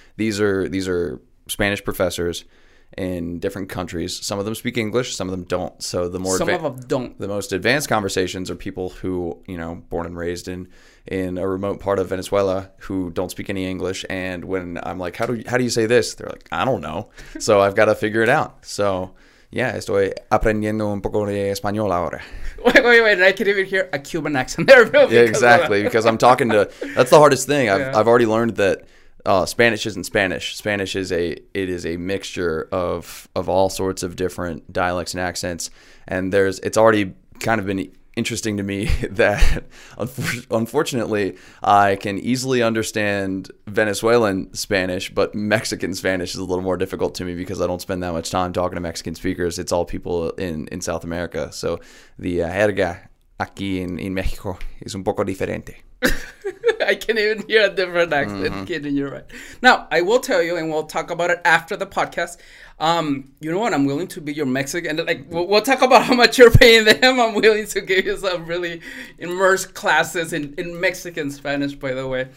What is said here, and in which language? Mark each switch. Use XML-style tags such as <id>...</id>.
<en>These are Spanish professors in different countries. Some of them speak English, some of them don't. So the most advanced conversations are people who, you know, born and raised in a remote part of Venezuela who don't speak any English. And when I'm like, how do you say this? They're like, I don't know. So I've got to figure it out. So yeah,</en> <es>estoy aprendiendo un poco de español ahora.</es> <en>Wait, I can even hear a Cuban accent there. Because I'm talking to, that's the hardest thing. I've already learned that Spanish isn't Spanish. Spanish is a mixture of all sorts of different dialects and accents. And it's already kind of been interesting to me that unfortunately I can easily understand Venezuelan Spanish, but Mexican Spanish is a little more difficult to me because I don't spend that much time talking to Mexican speakers. It's all people in South America. So the</en> <es>jerga aquí en Mexico es un poco diferente.</es> <en>I can't even hear a different accent. Mm-hmm. Kidding, you're right. Now, I will tell you, and we'll talk about it after the podcast. You know what? I'm willing to be your Mexican. Like, we'll talk about how much you're paying them. I'm willing to give you some really immersed classes in Mexican Spanish, by the way.</en>